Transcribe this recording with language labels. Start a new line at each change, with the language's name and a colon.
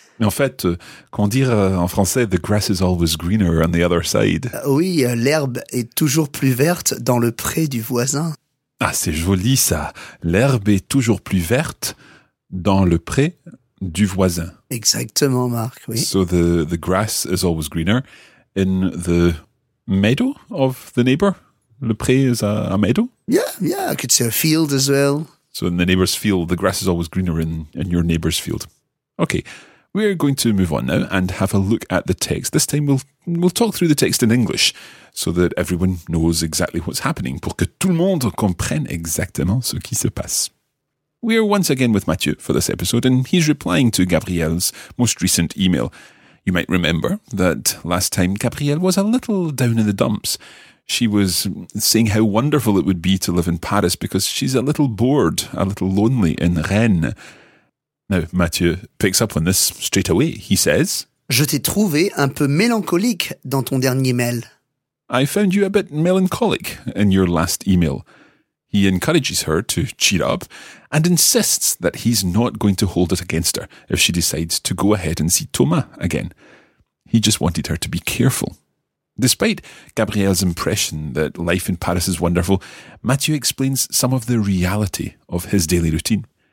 French: Mais en fait, qu'on dire en français,
English: the grass is always greener on the other side.
French: Oui, l'herbe est toujours plus verte dans le pré du voisin. Ah, c'est joli ça. L'herbe est toujours plus verte dans le pré du voisin. Exactement, Marc, oui.
English: So the grass is always greener in the meadow of the neighbor. Le pré is a meadow. Yeah, I could say a field as well. So in the neighbor's field, the grass is always greener in your neighbor's field. Okay. We're going to move on now and have a look at the text. This time we'll talk through the text in English so that everyone knows exactly what's happening,
French: pour que tout le monde comprenne exactement ce qui se passe.
English: We're once again with Mathieu for this episode, and he's replying to Gabriel's most recent email. You might remember that last time Gabriel was a little down in the dumps. She was saying how wonderful it would be to live in Paris because she's a little bored, a little lonely in Rennes. Now, Mathieu picks up on this straight away. He says,
French: je t'ai trouvé un peu mélancolique dans ton dernier mail.
English: I found you a bit melancholic in your last email. He encourages her to cheer up and insists that he's not going to hold it against her if she decides to go ahead and see Thomas again. He just wanted her to be careful. Despite Gabrielle's impression that life in Paris is wonderful, Mathieu explains some of the reality of his daily routine.